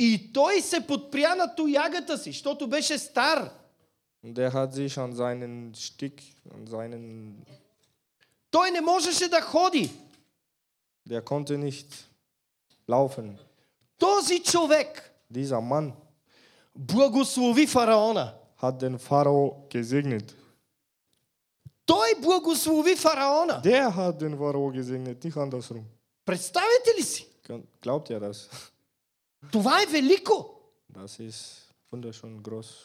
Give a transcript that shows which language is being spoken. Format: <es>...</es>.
<bg>И той се подпря на тоягата си, защото беше стар.</bg> <de>Und er hat sich an seinen Stick, an seinen</de> <bg>Той не можеше да ходи.</bg> <de>Der konnte nicht laufen.</de> <bg>Този човек.</bg> <de>Dieser Mann.</de> <bg>Благослови фараона.</bg> <de>Hat den Pharao gesegnet.</de> <bg>Той благослови фараона.</bg> <de>Der hat den Pharao gesegnet, nicht andersrum.</de> <bg>Представете ли си?</bg> <de>Glaubt ihr das?</de> <bg>Това е велико.</bg> <de>Das ist wunderschön groß.</de>